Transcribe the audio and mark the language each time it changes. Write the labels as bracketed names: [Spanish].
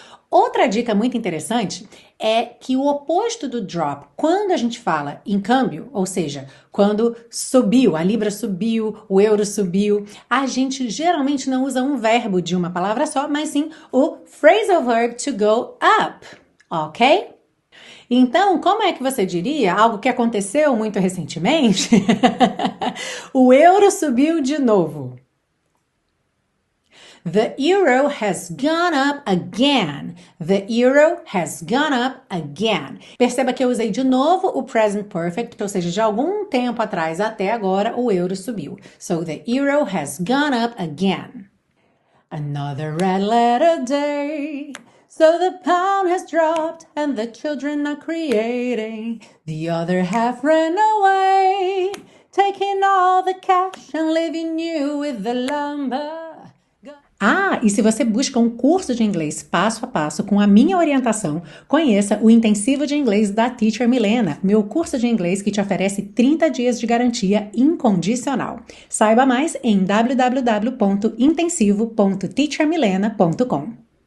[Portuguese] Outra dica muito interessante é que o oposto do drop, quando a gente fala em câmbio, ou seja, quando subiu, a libra subiu, o euro subiu, a gente geralmente não usa um verbo de uma palavra só, mas sim o phrasal verb to go up, ok? Então, como é que você diria algo que aconteceu muito recentemente? O euro subiu de novo. [English] The euro has gone up again. The euro has gone up again. [Portuguese] Perceba que eu usei de novo o present perfect, ou seja, de algum tempo atrás até agora, o euro subiu. [English] So the euro has gone up again. Another red letter day. So the pound has dropped and the children are creating. The other half ran away, taking all the cash and leaving you with the lumber. [Portuguese] Ah, e se você busca um curso de inglês passo a passo com a minha orientação, conheça o Intensivo de Inglês da Teacher Milena, meu curso de inglês que te oferece 30 dias de garantia incondicional. Saiba mais em www.intensivo.teachermilena.com.